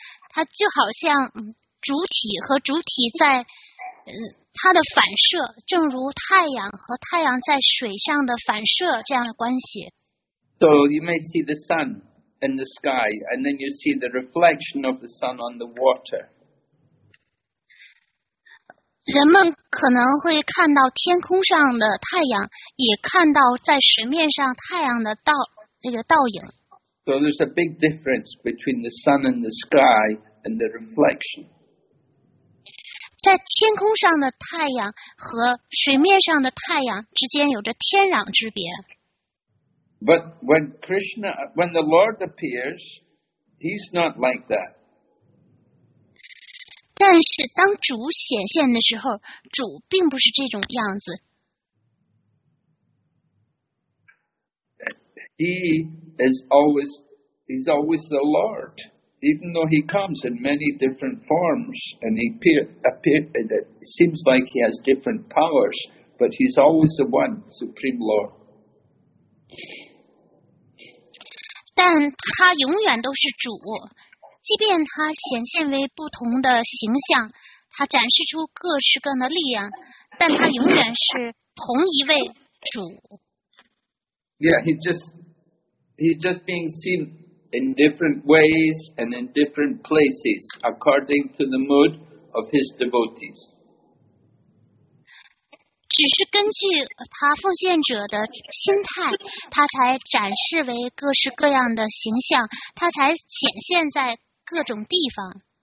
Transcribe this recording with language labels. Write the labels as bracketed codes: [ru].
[zh] 它就好像主体和主体在它的反射，正如太阳和太阳在水上的反射这样的关系。 [en] So you may see the sun in the sky, and then you see the reflection of the sun on the water. [zh] 人们可能会看到天空上的太阳，也看到在水面上太阳的倒影。 [en] So there's a big difference between the sun and the sky and the reflection. [zh] 在天空上的太阳和水面上的太阳之间有着天壤之别。 [en] But when Krishna, when the Lord appears, he's not like that. [zh] 但是当主显现的时候，主并不是这种样子。 [en] He's always the Lord, even though he comes in many different forms and he appears, it seems like he has different powers, but he's always the one, Supreme Lord. [zh] 但他永远都是主，即便他显现为不同的形象，他展示出各式各样的力量，但他永远是同一位主。 [en] Yeah, he's just being seen in different ways and in different places according to the mood of his devotees. [zh] 只是根据他奉献者的心态，他才展示为各式各样的形象，他才显现在各种地方。